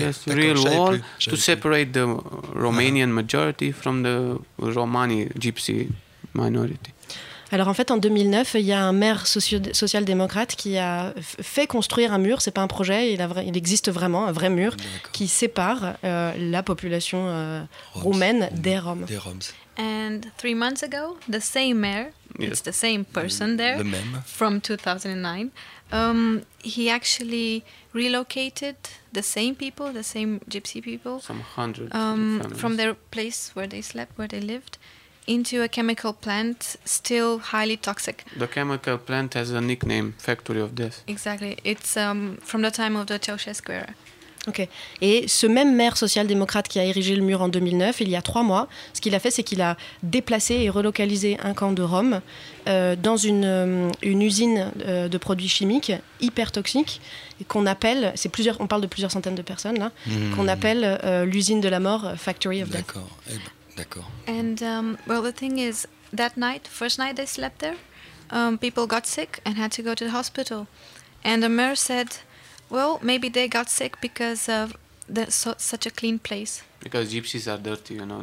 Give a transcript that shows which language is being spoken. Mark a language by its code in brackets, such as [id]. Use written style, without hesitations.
[en] Yes, real wall to separate the Romanian majority from the Romani Gypsy minority. [fr] Alors en fait, en 2009, il y a un maire social-démocrate qui a fait construire un mur. C'est pas un projet. Il existe vraiment, un vrai mur. D'accord. Qui sépare la population roumaine des Roms. Des Roms. [en] And 3 months ago, the same mayor, it's the same person there, [fr] the même. [en] From 2009, he actually relocated the same people, the same gypsy people, some hundreds from their place where they slept, where they lived, into a chemical plant, still highly toxic. The chemical plant has a nickname, Factory of Death. Exactly. It's from the time of the Ceausescu era. Ok. [fr] Et ce même maire social-démocrate qui a érigé le mur en 2009, il y a 3 mois, ce qu'il a fait, c'est qu'il a déplacé et relocalisé un camp de Roms dans une usine de produits chimiques hyper toxiques qu'on appelle, on parle de plusieurs centaines de personnes là, qu'on appelle l'usine de la mort, Factory of D'accord. Death. D'accord. [en] And the thing is, that night, first night they slept there, people got sick and had to go to the hospital. And the mayor said, well, maybe they got sick because of such a clean place. Because gypsies are dirty, you know.